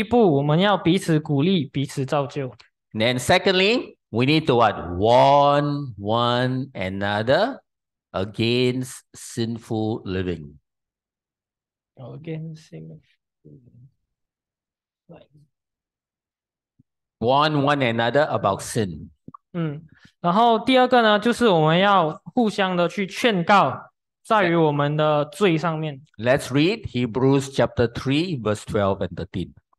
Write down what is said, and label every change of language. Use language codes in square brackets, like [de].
[zh] 所以这就是我们的第一步，我们要彼此鼓励，彼此造就。 [en] Then secondly, we need to what? Warn one another against sinful living. Against sinful living. Warn one another about sin. [zh] 然后第二个呢，就是我们要互相的去劝告，在于我们的罪上面。 [en] Let's read Hebrews chapter 3, verse 12 and 13.